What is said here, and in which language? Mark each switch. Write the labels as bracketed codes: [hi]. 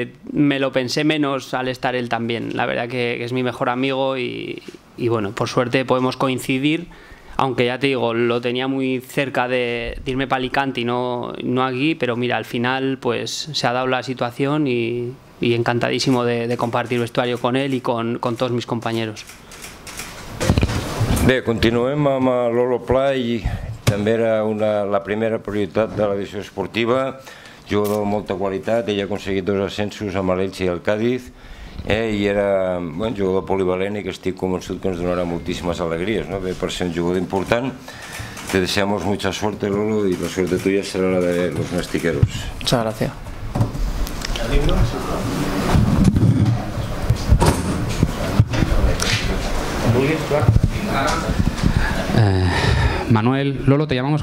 [es] Me lo pensé menos al estar él también, la verdad que es mi mejor amigo y bueno, por suerte podemos coincidir, aunque ya te digo, lo tenía muy cerca de irme para Alicante y no aquí, pero mira, al final pues se ha dado la situación y encantadísimo de compartir vestuario con él y con todos mis compañeros. [ca] Bé, continuem amb Lolo Pla i també era la primera prioritat de la divisió esportiva, jugador de molta qualitat, ell ha aconseguit 2 ascensos amb l'Elche i el Càdiz i era un bon jugador polivalent i que estic convençut que ens donarà moltíssimes alegries, no? Bé, per ser un jugador important. [es] Te deseamos mucha suerte, Lolo, y la suerte tuya será la de los nastiqueros. Muchas gracias. Manuel, Lolo, ¿te llamamos?